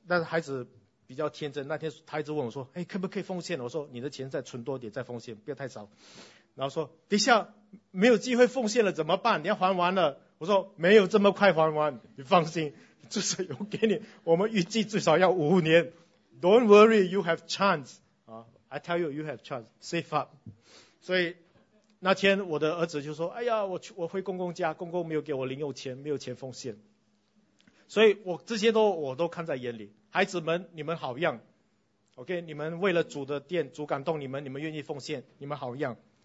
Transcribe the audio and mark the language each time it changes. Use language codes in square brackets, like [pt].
[zh] 但是孩子比较天真，那天他一直问我说，哎，可不可以奉献？我说你的钱再存多点再奉献，不要太少。然后说等一下没有机会奉献了怎么办？你要还完了？我说没有这么快还完，你放心，至少有给你，我们预计至少要5年。 [en] Don't worry, you have chance 啊 ，I tell you, you have chance, save up。 [zh] 所以那天我的儿子就说，哎呀，我回公公家，公公没有给我零用钱，没有钱奉献。所以我这些都我都看在眼里。孩子们，你们好样 ，OK， 你们为了主的殿，主感动你们，你们愿意奉献，你们好样。